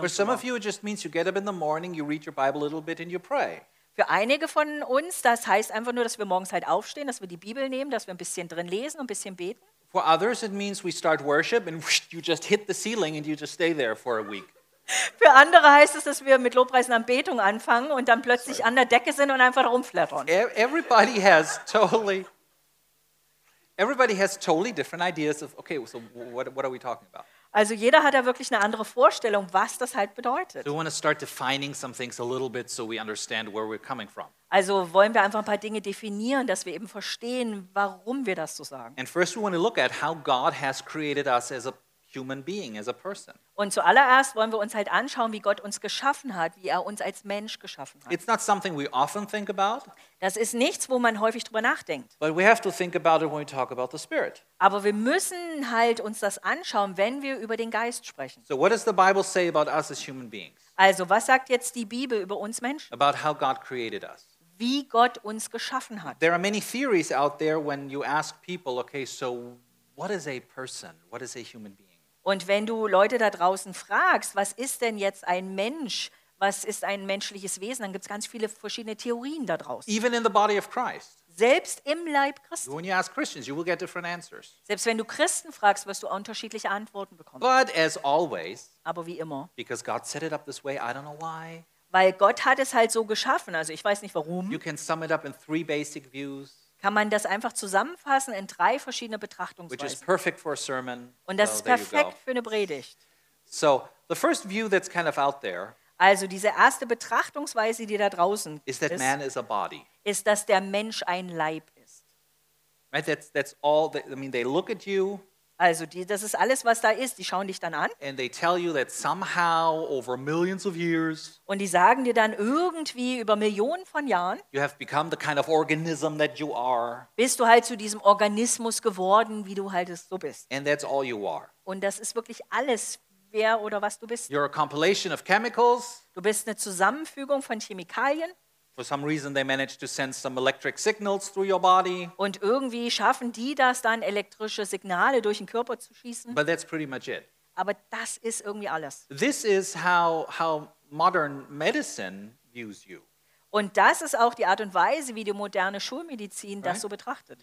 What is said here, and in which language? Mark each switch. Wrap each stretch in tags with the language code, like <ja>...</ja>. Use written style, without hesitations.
<en>For some of you, it just means you get up in the morning, you read your Bible a little bit, and you pray.</en> <de>Für einige von uns, das heißt einfach nur, dass wir morgens halt aufstehen, dass wir die Bibel nehmen, dass wir ein bisschen drin lesen und ein bisschen beten.</de> <en>For others, it means we start worship and you just hit the ceiling and you just stay there for a week.</en> <de>Für andere heißt es, dass wir mit Lobpreisen und Anbetung anfangen und dann plötzlich an der Decke sind und einfach rumflattern.</de> <en>Everybody has totally different ideas of, okay, so what are we talking about?</en> <de>Also jeder hat da wirklich eine andere Vorstellung, was das halt bedeutet.</de> <en>So we want to start defining some things a little bit so we understand where we're coming from.</en> <de>Also wollen wir einfach ein paar Dinge definieren, dass wir eben verstehen, warum wir das so sagen.</de> <en>And first we want to look at how God has created us as a human being, as a person.</en> <de>Und zuallererst wollen wir uns halt anschauen, wie Gott uns geschaffen hat, wie er uns als Mensch geschaffen hat.</de> <en>It's not something we often think about.</en> <de>Das ist nichts, wo man häufig drüber nachdenkt.</de> <en>But we have to think about it when we talk about the Spirit.</en> <de>Aber wir müssen halt uns das anschauen, wenn wir über den Geist sprechen.</de> <en>So what does the Bible say about us as human beings?</en> <de>Also, was sagt jetzt die Bibel über uns Menschen?</de> <en>About how God created us.</en> <de>Wie Gott uns geschaffen hat.</de> <en>There are many theories out there when you ask people, okay, so what is a person? What is a human being?</en> <de>Und wenn du Leute da draußen fragst, was ist denn jetzt ein Mensch? Was ist ein menschliches Wesen? Dann gibt's ganz viele verschiedene Theorien da draußen.</de> <en>Even in the body of Christ.</en> <de>Selbst im Leib Christi.</de> <en>When you ask Christians, you will get different answers.</en> <de>Selbst wenn du Christen fragst, wirst du unterschiedliche Antworten bekommen.</de> <en>But as always.</en> <de>Aber wie immer.</de> <en>Because God set it up this way, I don't know why.</en> <de>Weil Gott hat es halt so geschaffen, also ich weiß nicht warum.</de> <en>You can sum it up in three basic views.</en> <de>Kann man das einfach zusammenfassen in drei verschiedene Betrachtungsweisen.</de> <en>Which is perfect for a sermon.</en> <de>Und das ist perfekt für eine Predigt.</de> <en>So, the first view that's kind of out there.</en> <de>Also diese erste Betrachtungsweise, die da draußen ist,</de> <en>that man is a body.</en> <de>Ist, dass der Mensch ein Leib ist.</de> <en>Right, that's all. That, I mean, they look at you.</en> <de>Also die, das ist alles, was da ist. Die schauen dich dann an.</de> <en>And they tell you that somehow over millions of years.</en> <de>Und die sagen dir dann irgendwie über Millionen von Jahren.</de> <en>You have become the kind of organism that you are.</en> <de>Bist du halt zu diesem Organismus geworden, wie du halt es so bist.</de> <en>And that's all you are.</en> <de>Und das ist wirklich alles. Wer oder was du bist.</de> <en>You're a compilation of chemicals.</en> <de>Du bist eine Zusammenfügung von Chemikalien.</de> <en>For some reason they managed to send some electric signals through your body.</en> <de>Und irgendwie schaffen die das dann, elektrische Signale durch den Körper zu schießen.</de> <en>But that's pretty much it.</en> <de>Aber das ist irgendwie alles.</de> <en>This is how modern medicine views you.</en> <de>Und das ist auch die Art und Weise, wie die moderne Schulmedizin das so betrachtet.</de>